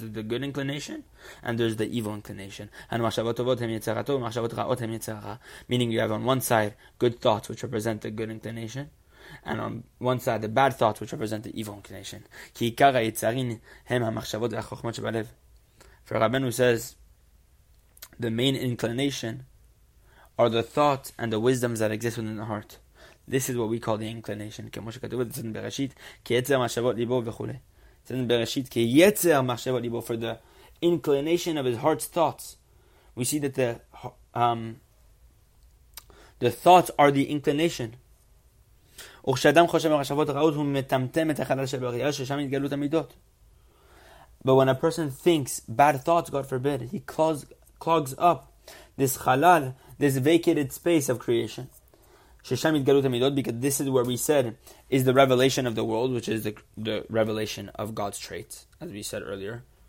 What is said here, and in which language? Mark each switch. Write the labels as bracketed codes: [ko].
[en] There's the good inclination, and there's the evil inclination. Meaning you have on one side, good thoughts, which represent the good inclination. And on one side, the bad thoughts, which represent the evil inclination. For Rabbeinu says, the main inclination are the thoughts and the wisdoms that exist within the heart. This is what we call the inclination. [he] כמו שכתוב את זה in Bereshit, כי יצר מחשבות ליבו וכו'. [en] It's in Bereshit, [he] כי יצר מחשבות ליבו, [en] for the inclination of his heart's thoughts. We see that the thoughts are the inclination. [he] וכשאדם חושב מחשבות רעות, הוא מטמטם את החלל של בריאה, ששם יתגלו תמידות. [en] But when a person thinks bad thoughts, God forbid, he clogs up this halal, this vacated space of creation. [he] ששם יתגלו תמידות, [en] because this is where we said is the revelation of the world, which is the revelation of God's traits, as we said earlier.